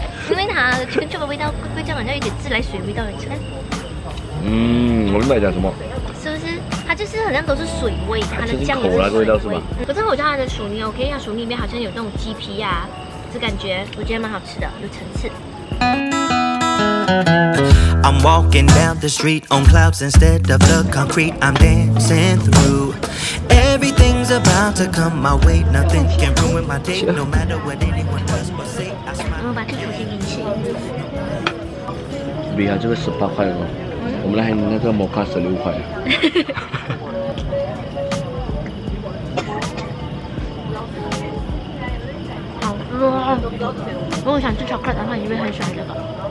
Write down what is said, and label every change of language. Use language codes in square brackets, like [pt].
[zh] 因为它全球的味道会叫人家有点自来水味道的，你看。嗯，我明白讲什么。是不是？它就是好像都是水味，它的酱油是味道是吧？可是我觉得它的薯泥 OK， 它薯泥里面好像有那种鸡皮啊，这感觉我觉得蛮好吃的，有层次。 [en] I'm walking down the street on clouds instead of the concrete. I'm dancing through. Everything's about to come my way. Nothing can ruin my day. No matter what anyone does or say. [zh] 我把地图先给你吃。比啊，这个十八块哦。我们来那个摩卡十六块。哈哈哈。好热啊！如果想吃巧克力的话，你会很喜欢这个。